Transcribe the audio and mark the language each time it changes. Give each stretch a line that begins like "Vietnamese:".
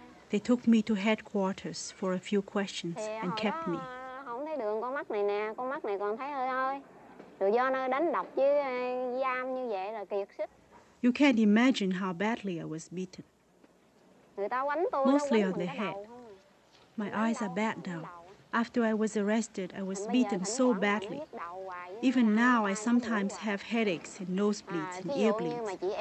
English: They took me to headquarters for a few questions and kept me.
Vietnamese: Không thấy đường con mắt này nè, con mắt này còn thấy hơi. Rồi do nó đánh độc chứ giam như vậy là kiệt sức.
English: You can't imagine how badly I was beaten.
Vietnamese: Người ta quánh tôi
English: mostly on the head. My eyes are bad now. After I was arrested, I was beaten so badly. Even now, I sometimes have headaches and nosebleeds and ear bleeds.